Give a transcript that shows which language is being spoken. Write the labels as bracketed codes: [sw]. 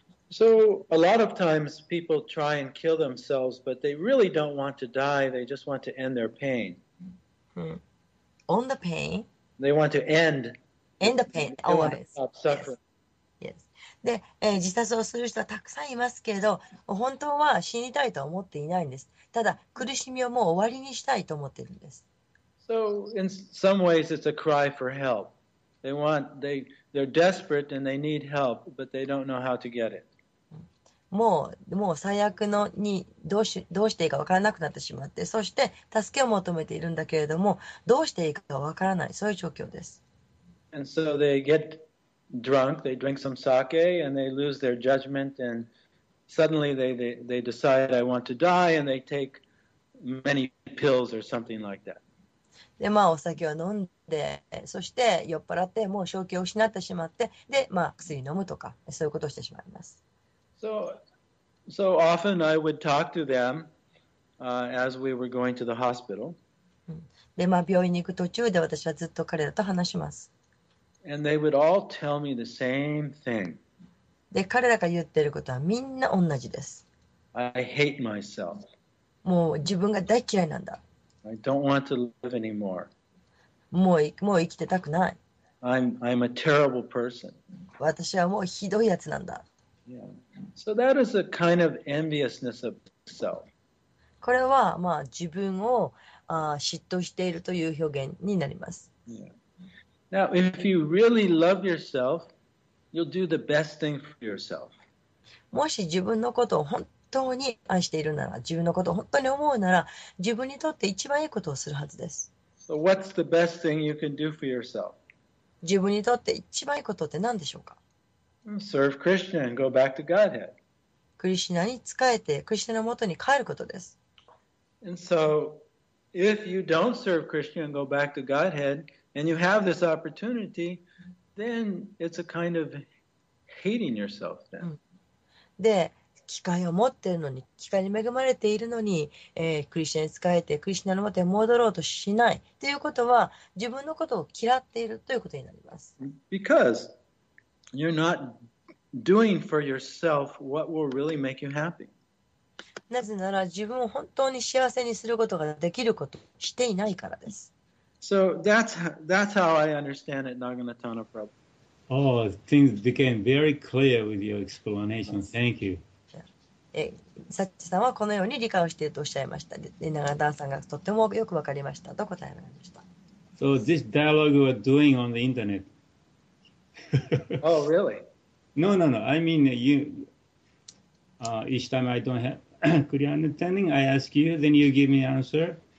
[en] So a lot of times people try and kill themselves, but they really don't want to die. They just want to end their pain. On the pain. They want to end. End the pain. They want to stop suffering. Yes. [ja] で、自殺をする人はたくさんいますけど、本当は死にたいと思っていないんです。ただ苦しみをもう終わりにしたいと思っているんです。 [en] So in some ways it's a cry for help. They want they're desperate and they need help, but they don't know how to get it. [ja] もう最悪のにどうしていいか分からなくなってしまって、そして助けを求めているんだけれども、どうしていいか分からない、そういう状況です。 [en] And so they get drunk, they drink some sake, and they lose their judgment, and suddenly they decide, I want to die, and they take many pills or something like that. [ja] で、まあ、お酒を飲んで、そして酔っ払って、もう正気を失ってしまって、で、まあ、薬を飲むとか、そういうことをしてしまいます。 [en] So often I would talk to them, as we were going to the hospital. [ja] で、まあ、病院に行く途中で私はずっと彼らと話します。 [en] And they would all tell me the same thing. [ja] で、彼らが言ってることはみんな同じです。 [en] I hate myself. [ja] もう自分が大嫌いなんだ。 [en] I don't want to live anymore. [ja] もう生きてたくない。 [en] I'm a terrible person. [ja] 私はもうひどいやつなんだ。 [en] Yeah. So that is a kind of enviousness of self. [ja] これは、まあ、自分を嫉妬しているという表現になります。 [en] Yeah. Now, if you really love yourself, you'll do the best thing for yourself. [ja] もし自分のことを本当に愛しているなら、自分のことを本当に思うなら、自分にとって一番いいことをするはずです。 [en] So what's the best thing you can do for yourself? [ja] 自分にとって一番いいことって何でしょうか? [en] Serve Krishna and go back to Godhead. [ja] クリシナに仕えて、クリシナのもとに帰ることです。 [en] And so, if you don't serve Krishna and go back to Godhead, and you have this opportunity, then it's a kind of hating yourself then. [ja] で、機会を持っているのに、機会に恵まれているのに、クリシナに仕えて、クリシナのもとに戻ろうとしないということは、自分のことを嫌っているということになります。 [en] Because you're not doing for yourself what will really make you happy. [ja] なぜなら、自分を本当に幸せにすることができることをしていないからです。 [en] So that's how I understand it, Naganatana Prabhu. Oh, things became very clear with your explanation. Thank you. [ja] サッチさんはこのように理解をしているとおっしゃいました。で、ナガダーさんがとってもよくわかりましたと答えられました。 [en] So this dialogue we're doing on the internet. Oh, really? No. I mean, you, each time I don't have clear understanding, I ask you, then you give me answer.